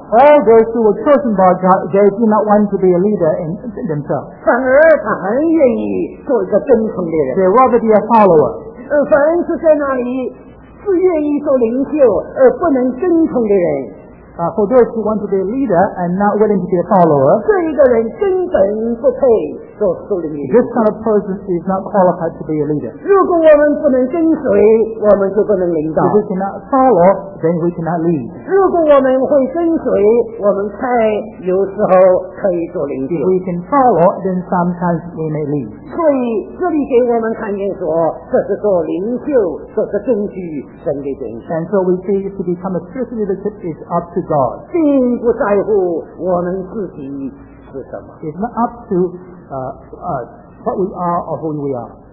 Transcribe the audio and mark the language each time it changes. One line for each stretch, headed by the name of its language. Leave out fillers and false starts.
English: All those who were chosen by God, they do not want to be a leader in themselves.
Chinese: 反而他很愿意做一个跟从的人。
English: They rather be a follower.
Chinese: 凡是在那里 自愿意做领袖而不能跟从的人,
English: For those who want to be a leader and not willing to be a follower,
Chinese: 这一个人根本不配做领袖。
English: This kind of person is not qualified to be a leader.
Chinese: 如果我们不能跟随, 我们就不能领导。
English: If we cannot follow, then we cannot lead.
Chinese: 如果我们会跟随, 我们才有时候可以做领袖。
English: If we can follow, then sometimes we may lead.
Chinese: 所以这里给我们看见说, 这是做领袖, 这是根据神给定义。
English: And so we see to become a spiritual leadership is up to God.
Chinese: 并不在乎我们自己是什么。
English: It's not up to us, what we are or who we are.